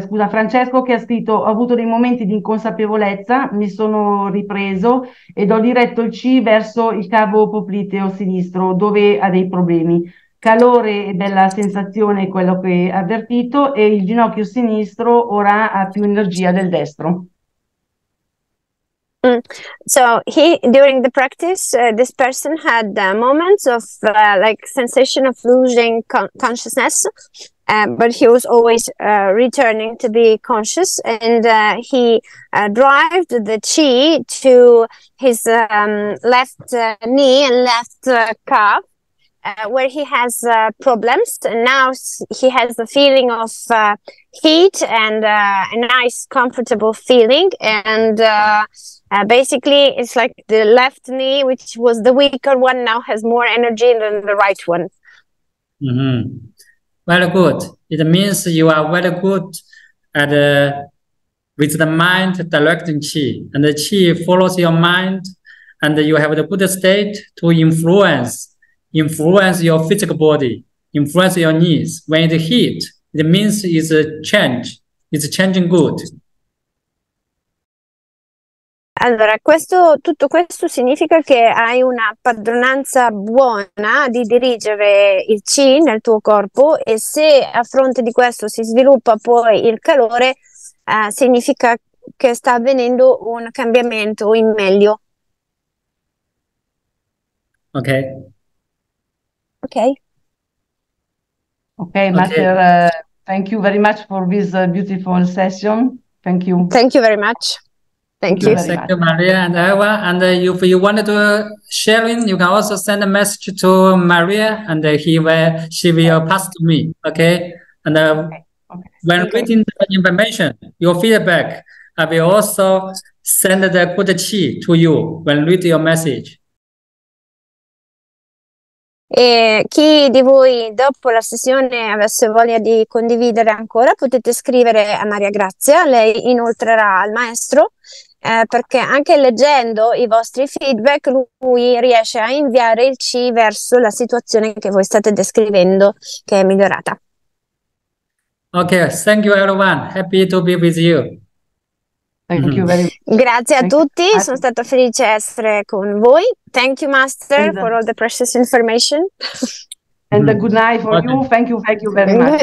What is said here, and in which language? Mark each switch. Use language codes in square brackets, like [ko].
[it] scusa, Francesco, che ha scritto: ho avuto dei momenti di inconsapevolezza, mi sono ripreso ed ho diretto il chi verso il cavo popliteo sinistro, dove ha dei problemi. Calore della sensazione, quello che ha avvertito, e il ginocchio sinistro ora ha più energia del destro. [en] So he during the practice this person had moments of like sensation of losing consciousness, but he was always returning to be conscious, and he derived the chi to his left knee and left calf, where he has problems. And now he has the feeling of heat and a nice comfortable feeling, and basically, it's like the left knee, which was the weaker one, now has more energy than the right one. Very good. It means you are very good at with the mind directing qi, and the qi follows your mind, and you have the good state to influence influence your physical body, influence your knees. When it hit, it means it's a change, it's changing good. [it] Allora, tutto questo significa che hai una padronanza buona di dirigere il qi nel tuo corpo, e se a fronte di questo si sviluppa poi il calore, significa che sta avvenendo un cambiamento in meglio. [en] Ok. Ok. Ok, Master, thank you very much for this beautiful session. Thank you. Thank you very much. Thank you, Maria and Eva. And if you wanted to share in, you can also send a message to Maria, and she will pass to me. Okay. And reading the information, your feedback, I will also send the good qi to you when read your message. [it] E chi di voi dopo la sessione avesse voglia di condividere ancora, potete scrivere a Maria Grazia, lei inoltrerà al maestro. Perché anche leggendo i vostri feedback lui riesce a inviare il qi verso la situazione che voi state descrivendo, che è migliorata. [en] Ok, thank you everyone, happy to be with you. Thank you very much. [it] Grazie a tutti, sono stata felice di essere con voi. [en] Thank you Master for all the precious information. And a good night for you, thank you very much.